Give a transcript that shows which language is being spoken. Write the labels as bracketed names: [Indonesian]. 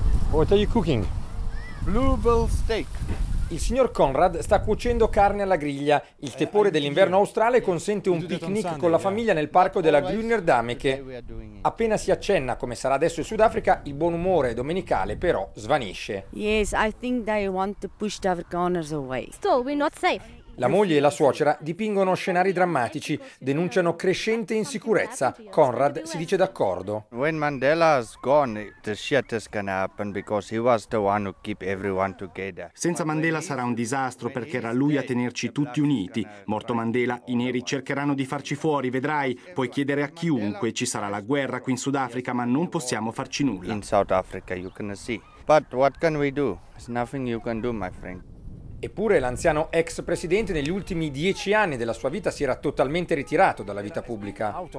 [English] What are you cooking? Blue bell steak. [Italian] Il signor Conrad sta cucendo carne alla griglia. Il tepore dell'inverno australe consente un picnic con la famiglia nel parco della Grünerdamecke. Appena si accenna come sarà adesso in Sudafrica, il buon umore domenicale però svanisce. [English] Yes, I think they want to push the Afrikaners away. Still, we're not safe. [Italian] La moglie e la suocera dipingono scenari drammatici, denunciano crescente insicurezza. Conrad si dice d'accordo. [English] When Mandela's gone, the shit is gonna happen because he was the one who keep everyone together. [Italian] Senza Mandela sarà un disastro perché era lui a tenerci tutti uniti. Morto Mandela, i neri cercheranno di farci fuori, vedrai. Puoi chiedere a chiunque, ci sarà la guerra qui in Sudafrica, ma non possiamo farci nulla. [English] In South Africa you can see. But what can we do? There's nothing you can do, my friend. [Italian] Eppure l'anziano ex presidente negli ultimi 10 anni della sua vita si era totalmente ritirato dalla vita pubblica.